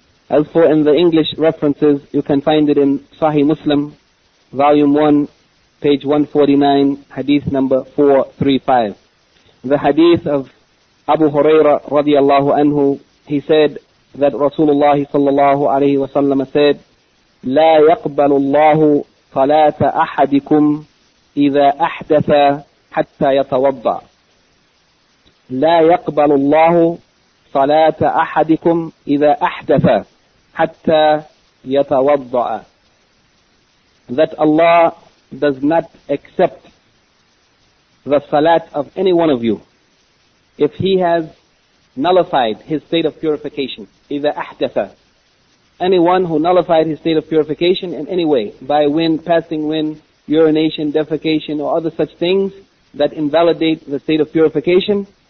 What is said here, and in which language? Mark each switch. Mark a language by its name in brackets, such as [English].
[English] As for in the English references, you can find it in Sahih Muslim, volume 1, page 149, hadith number 435. The hadith of Abu Huraira radiallahu anhu, he said that Rasulullah sallallahu alayhi wa sallam said, [Arabic] لا يقبل الله صلاة أحدكم إذا أحدث حتى يتوضع. لا يقبل الله صلاة أحدكم إذا أحدث حتى يتوضع. [English] That Allah does not accept the salat of any one of you if he has nullified his state of purification, either ahdatha, anyone who nullified his state of purification in any way, by wind, passing wind, urination, defecation, or other such things that invalidate the state of purification,